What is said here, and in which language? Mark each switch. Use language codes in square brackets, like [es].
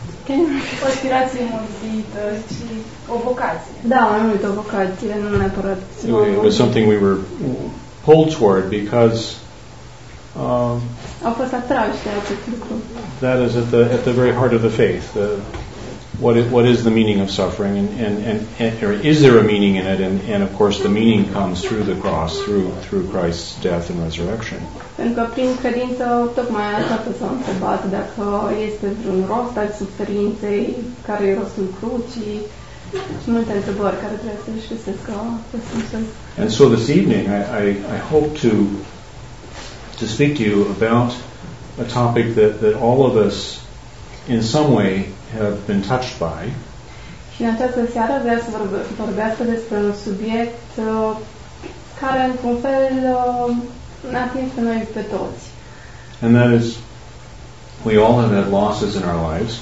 [ro] o aspirație morbidă, ci o vocație. Da, mai mult o vocație, nu neapărat. [en] It was something we were pulled toward because [ro] au fost atrași de acest lucru. [en] That is at the very heart of the faith. What is the meaning of suffering and is there a meaning in it, and of course the meaning comes through the cross, through Christ's death and resurrection. [ro] Pentru că prin credință tocmai asta s-a întrebat, dacă este vreun rost al suferinței, care e rostul crucii, și multe întrebări care trebuie să își găsesc răspunsul. [en] And so this evening I hope to speak to you about a topic that all of us in some way have been touched by. [ro] Și în această seară vreau să vorbesc despre un subiect care într-un fel ne-a atins pe noi pe toți. [en] And that is, we all have had losses in our lives.